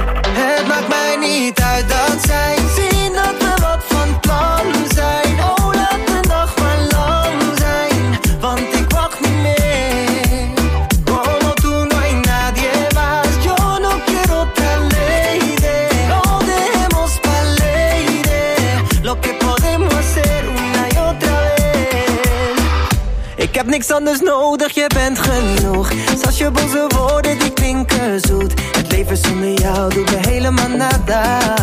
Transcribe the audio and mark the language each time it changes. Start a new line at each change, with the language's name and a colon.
Dutch: Het maakt mij niet uit dat zij zien dat we wat van plan zijn. Oh, laat de dag maar lang zijn, want ik wacht niet meer.
Spanish: Como tú no hay nadie más, yo no quiero otra lady. No dejemos pa' lady lo que podemos hacer una y otra vez.
Dutch: Ik heb niks anders nodig, je bent genoeg. Zoals je boze woorden die klinken zoet. Het leven zonder jou doet me helemaal nada.